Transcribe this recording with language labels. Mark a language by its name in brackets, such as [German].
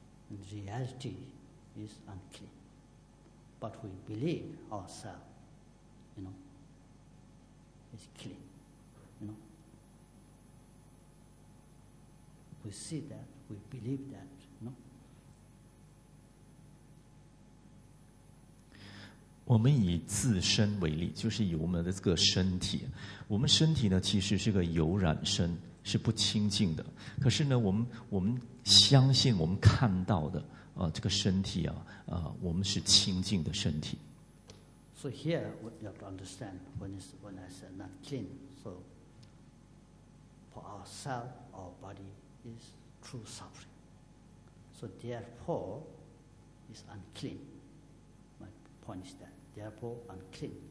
[English] In reality is unclean. But we believe ourselves, you know, is clean, you know. We see that, we believe that, you know. [Chinese] 我们以自身为例，就是以我们的这个身体，我们身体呢其实是个有染身，是不清净的。可是呢，我们相信我们看到的这个身体啊，我们是清净的身体。 [English] So here we have to understand when I say not clean. So for ourselves, our body is true suffering. So therefore, is unclean. My point is that. Therefore, unclean.